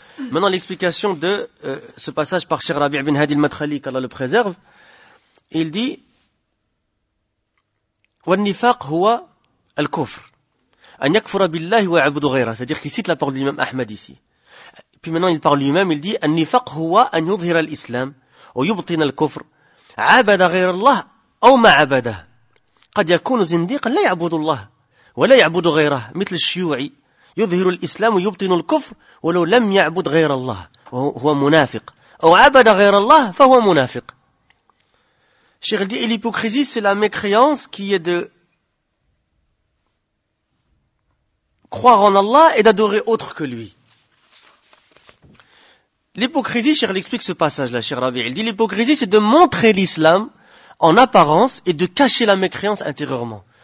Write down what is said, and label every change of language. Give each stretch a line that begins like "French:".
French: Maintenant, l'explication de ce passage par Cheikh Rabi ibn Hadi al-Madkhali, qu'Allah le préserve, il dit...
Arabic: والنفاق هو الكفر ان يكفر بالله ويعبد غيره
French: c'est-à-dire qu'il cite la parole de l'imam Ahmed ici. Puis maintenant il parle lui-même, il dit
Arabic: النفاق هو ان يظهر الاسلام ويبطن الكفر عبد غير الله او ما عبده قد يكون زنديقا لا يعبد الله ولا يعبد غيره مثل الشيوعي يظهر الاسلام ويبطن الكفر ولو لم يعبد غير الله وهو منافق او عبد غير الله فهو منافق.
French: Cheikh dit, et l'hypocrisie, c'est la mécréance qui est de croire en Allah et d'adorer autre que lui. L'hypocrisie, Cheikh l'explique ce passage-là, Cheikh Rabi. Il dit, l'hypocrisie, c'est de montrer l'islam en apparence et de cacher la mécréance intérieurement.